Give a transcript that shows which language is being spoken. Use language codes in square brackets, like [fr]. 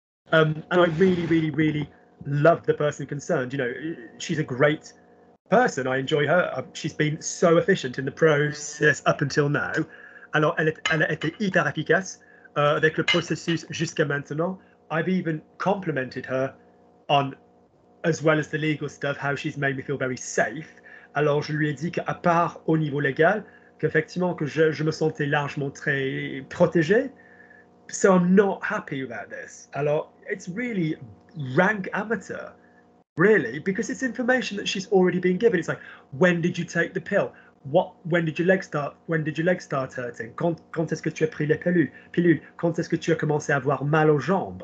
[en] And I really, really, really love the person concerned. You know, she's a great person. I enjoy her. She's been so efficient in the process up until now. [fr] Alors, elle a été hyper efficace avec le processus jusqu'à maintenant. [en] I've even complimented her on, as well as the legal stuff, how she's made me feel very safe. [fr] Alors, je lui ai dit qu'à part au niveau légal, qu'effectivement, que je me sentais largement très protégé. [en] So, I'm not happy about this. Alors, it's really rank amateur, really, because it's information that she's already been given. It's like, when did you take the pill? When did your legs start hurting? [fr] Quand est-ce que tu as pris les pilules? Quand est-ce que tu as commencé à avoir mal aux jambes?